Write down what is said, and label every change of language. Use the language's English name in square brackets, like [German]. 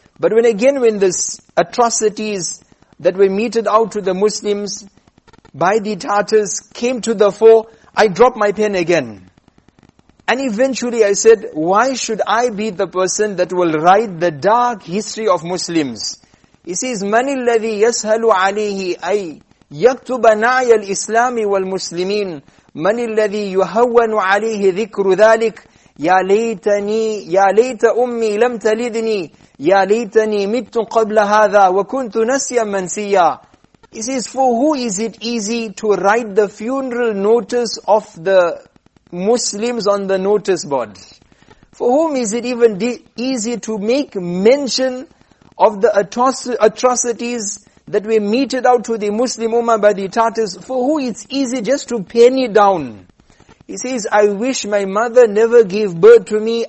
[English] But when this atrocities that were meted out to the Muslims by the Tatars came to the fore, I dropped my pen again. And eventually I said, why should I be the person that will write the dark history of Muslims? He says, [Arabic] مَنِ الَّذِي يَسْهَلُ عَلَيْهِ أَيْ يَكْتُبَ نَعْيَ الْإِسْلَامِ وَالْمُسْلِمِينَ مَنِ الَّذِي يُهَوَّنُ عَلَيْهِ ذِكْرُ ذَلِكَ يَا لَيْتَنِي يَا لَيْتَ أُمِّي لَمْ تَلِدْنِي يَا لَيْتَنِي مِتُّ قَبْلَ هَذَا وَكُنْتُ نَسْيًا مَنْسِيًّا. [English] He says, for who is it easy to write the funeral notice of the Muslims on the notice board? For whom is it even easy to make mention of the atrocities that were meted out to the Muslim Ummah by the Tatars? For who it's easy just to pen it down? He says, I wish my mother never gave birth to me.